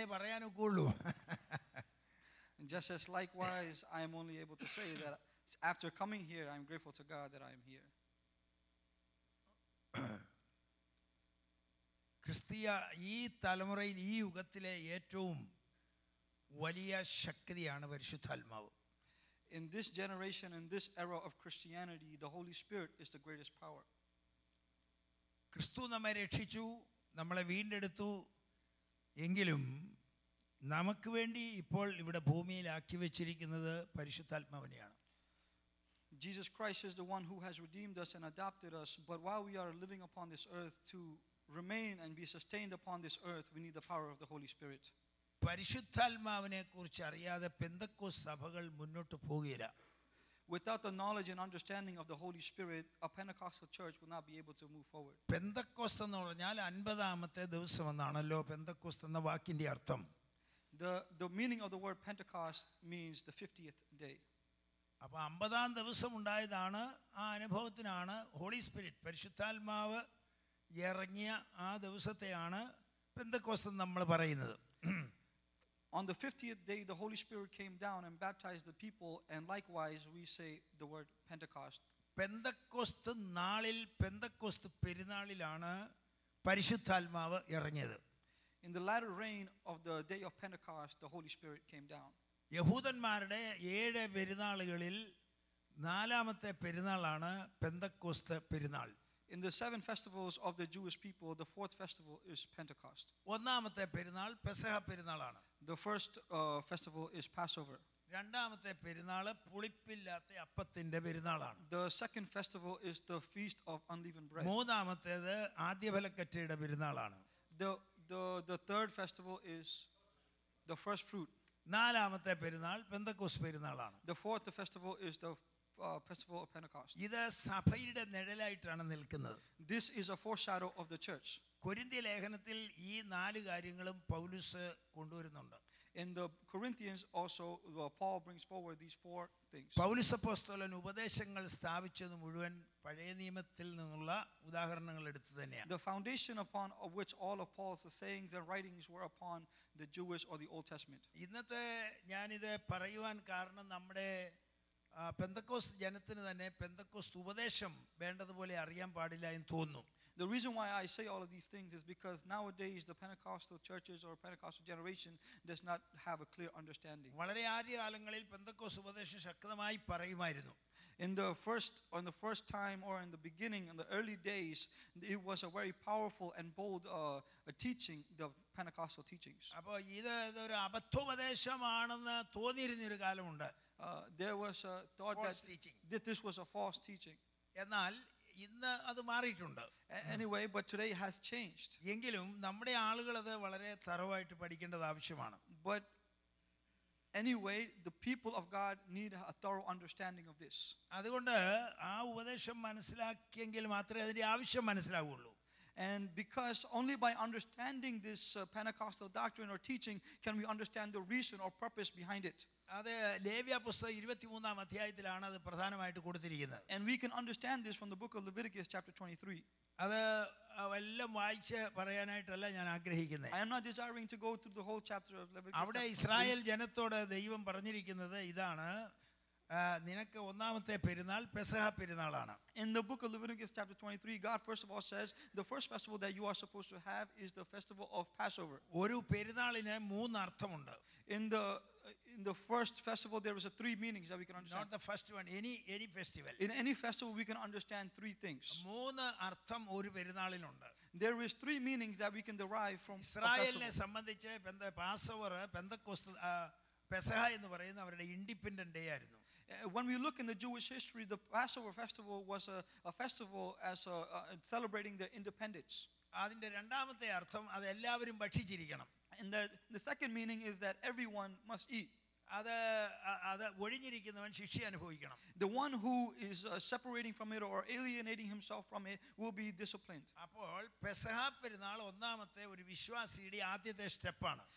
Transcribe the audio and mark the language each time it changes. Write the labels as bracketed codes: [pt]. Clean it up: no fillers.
[en] And just as likewise, I am only able to say that after coming here, I am grateful to God that I am here. [ml] ക്രിസ്തീയ ഈ തലമുറയിൽ ഈ യുഗത്തിലെ ഏറ്റവും വലിയ ശക്തിയാണ് പരിശുദ്ധാത്മാവ്. [en] In this generation, in this era of Christianity, the Holy Spirit is the greatest power. [ml] ക്രിസ്തു നമ്മെ രക്ഷിച്ചു, നമ്മളെ വീണ്ടെടുത്തു എങ്കിലും നമുക്ക് വേണ്ടി ഇപ്പോൾ ഇവിടെ ഭൂമിയിൽ ആക്കി വെച്ചിരിക്കുന്നത് പരിശുദ്ധാത്മാവിനെയാണ്. [en] Jesus Christ is the one who has redeemed us and adopted us, but while we are living upon this earth to remain and be sustained upon this earth, we need the power of the Holy Spirit. [ml] പരിശുദ്ധാത്മാവിനെ കുറിച്ച് അറിയാതെ പെന്തക്കോസ് സഭകൾ മുന്നോട്ട് പോകില്ല. [en] Without the knowledge and understanding of the Holy Spirit, a Pentecostal church will not be able to move forward. [ml] പെന്തക്കോസ് എന്ന് പറഞ്ഞാൽ 50-ാമത്തെ ദിവസം എന്നാണല്ലോ പെന്തക്കോസ് എന്ന വാക്കിന്റെ അർത്ഥം. [en] The meaning of the word Pentecost means the 50th day. [ml] അപ്പോൾ 50-ാം ദിവസം ഉണ്ടായതാണ് ആ അനുഭവത്തിനാണ് ഹോളി സ്പിരിറ്റ് പരിശുദ്ധാത്മാവ് ഇറങ്ങിയ ആ ദിവസത്തെയാണ് പെന്തക്കോസ്ത് നമ്മൾ പറയുന്നത്. [en] On the 50th day the Holy Spirit came down and baptized the people, and likewise we say the word Pentecost. [ml] Pentecost നാളിൽ പെന്തക്കോസ്ത് പെരുന്നാളിലാണ് പരിശുദ്ധാത്മാവ് ഇറങ്ങിയത്. [en] In the latter rain of the day of Pentecost the Holy Spirit came down. [ml] യഹൂദന്മാരുടെ 7 പെരുന്നാളുകളിൽ 4-ാമത്തെ പെരുന്നാളാണ് പെന്തക്കോസ്ത് പെരുന്നാൾ. [en] In the 7 festivals of the Jewish people, the 4th festival is Pentecost. [ml] ഒന്നാമത്തെ പെരുന്നാൾ പെസഹ പെരുന്നാളാണ്. [en] The first festival is Passover. [ml] രണ്ടാമത്തെ പെരുന്നാൾ പുളിപ്പില്ലാത്ത അപ്പത്തിന്റെ പെരുന്നാളാണ്. [en] The second festival is the feast of unleavened bread. [ml] മൂന്നാമത്തേത് ആദ്യഫലക്കറ്റയുടെ പെരുന്നാളാണ്. [en] The third festival is the first fruit. [ml] നാലാമത്തെ പെരുന്നാൾ പെന്തക്കോസ് പെരുന്നാളാണ്. [en] The fourth festival is the festival of Pentecost. [ml] ഇത് സഭയുടെ നിഴലായിട്ടാണ് നിൽക്കുന്നത്. [en] This is a foreshadow of the church. [ml] കൊരിന്ത്യ ലേഖനത്തിൽ ഈ നാല് കാര്യങ്ങളും പൗലോസ് കൊണ്ടുവരുന്നുണ്ട്. [en] In the Corinthians also Paul brings forward these four things. [ml] പൗലോസ് അപ്പോസ്തലൻ ഉപദേശങ്ങൾ സ്ഥാപിച്ചതു മുഴുവൻ പഴയ നിയമത്തിൽ നിന്നുള്ള ഉദാഹരണങ്ങൾ എടുത്തു തന്നെയാണ്. [en] The foundation upon which all of Paul's sayings and writings were upon the Jewish or the Old Testament. [ml] ഇന്നത്തെ ഞാൻ ഇത് പറയുവാൻ കാരണം നമ്മുടെ പെന്തക്കോസ്റ്റ് ജനത്തിന് തന്നെ പെന്തക്കോസ്റ്റ് ഉപദേശം വേണ്ടതുപോലെ അറിയാൻ പാടില്ല എന്ന് തോന്നുന്നു. [en] The reason why I say all of these things is because nowadays the Pentecostal churches or Pentecostal generation does not have a clear understanding. [ml] വളരെ ആദ്യ കാലങ്ങളിൽ പെന്തക്കോസ് ഉപദേശം ശക്തമായി പറയുമായിരുന്നു. [en] In the first time or in the beginning, in the early days, it was a very powerful and bold a teaching, the Pentecostal teachings. [ml] അപ്പോൾ ഇത് ഒരു അബദ്ധോപദേശമാണെന്ന് തോന്നിയിരുന്ന ഒരു കാലമുണ്ട്. [en] There was a thought that this was a false teaching. [ml] എന്നാൽ ഇന്ന് അത് മാറിയിട്ടുണ്ട്. [en] Anyway, but today has changed. [ml] എങ്കിലും നമ്മുടെ ആളുകൾ അത് വളരെ തറവായിട്ട് പഠിക്കേണ്ടത് ആവശ്യമാണ്. [en] But anyway, the people of God need a thorough understanding of this. [ml] അതുകൊണ്ട് ആ ഉപദേശം മനസ്സിലാക്കിയെങ്കിൽ മാത്രമേ അതിന്റെ ആവശ്യം മനസ്സിലാവുള്ളൂ. [en] And because only by understanding this Pentecostal doctrine or teaching can we understand the reason or purpose behind it. [ml] അത് ലേവ്യ പുസ്തകം 23 അധ്യായത്തിലാണ് അത് പ്രധാനമായിട്ട് കൊടുത്തിരിക്കുന്നത്. [en] And we can understand this from the book of Leviticus chapter 23. [ml] അത് എല്ലാം വായിച്ച് പറയാനായിട്ടല്ല ഞാൻ ആഗ്രഹിക്കുന്നത്. [en] I am not desiring to go through the whole chapter of Leviticus. [ml] അവിടെ ഇസ്രായേൽ ജനത്തോട് ദൈവം പറഞ്ഞിരിക്കുന്നത് ഇതാണ്, നിനക്ക് ഒന്നാമത്തെ പെരുന്നാൾ പെസഹ പെരുന്നാളാണ്. [en] In the book of Leviticus chapter 23, God first of all says the first festival that you are supposed to have is the festival of Passover. [ml] ഒരു പെരുന്നാളിനെ മൂന്ന് അർത്ഥമുണ്ട്. [en] In the first festival there was a three meanings that we can understand. Not the first one, any festival. In any festival we can understand three things. [ml] മൂന്ന് അർത്ഥം ഒരു പെരുന്നാളിനുണ്ട്. [en] There is three meanings that we can derive from [ml] ഇസ്രായേലിനെ സംബന്ധിച്ച് പാസോവർ Pentecost പെസഹ എന്ന് പറയുന്ന അവരുടെ independent day ആയിരുന്നു. [en] When we look in the Jewish history, the Passover festival was a festival as a celebrating their independence. [ml] അതിന്റെ രണ്ടാമത്തെ അർത്ഥം അത് എല്ലാവരും ഭക്ഷിച്ചിരിക്കണം. [en] And the second meaning is that everyone must eat. [ml] അതെ ഒഴിഞ്ഞിരിക്കുന്നവൻ ശിക്ഷ അനുഭവിക്കണം. [en] The one who is separating from it or alienating himself from it will be disciplined. [ml] അപ്പോൾ പെസഹ പെരുന്നാൾ ഒന്നാമത്തെ ഒരു വിശ്വാസിയുടെ ആദ്യത്തെ സ്റ്റെപ്പ് ആണ്.